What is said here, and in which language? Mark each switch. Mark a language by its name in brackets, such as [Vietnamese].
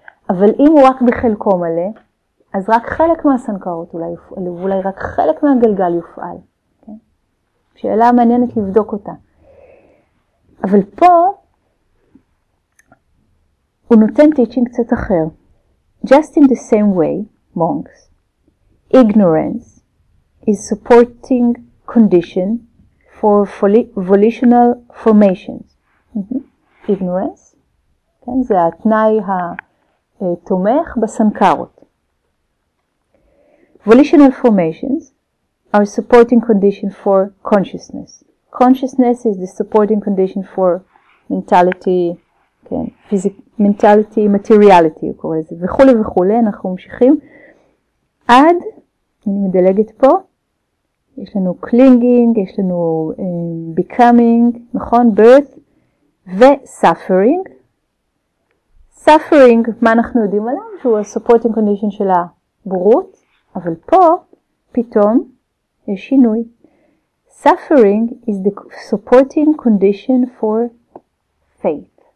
[Hebrew] אבל אם הוא רק בחלקו מלא, אז רק חלק מהסנקרות אולי יופעל, אולי רק חלק מהגלגל יופעל. כן? שאלה מעניינת לבדוק אותה. אבל פה, הוא נותן טיצ'ינג קצת אחר. [English] Just in the same way, monks, ignorance is supporting condition for volitional formations. Ignorance, כן? [Hebrew] זה התנאי ה... תומך בסנקרות. [English] Volitional formations are supporting condition for consciousness. Consciousness is the supporting condition for mentality, כן, mentality, materiality, [Hebrew] הוא קורא לזה, וכולי וכולי, אנחנו ממשיכים. עד, אני מדלגת פה, יש לנו clinging, יש לנו becoming, נכון? Birth ו-suffering. Suffering, מה אנחנו יודעים עליו? שהוא ה-supporting condition של הבורות, אבל פה פתאום יש שינוי. [English] Suffering is the supporting condition for faith.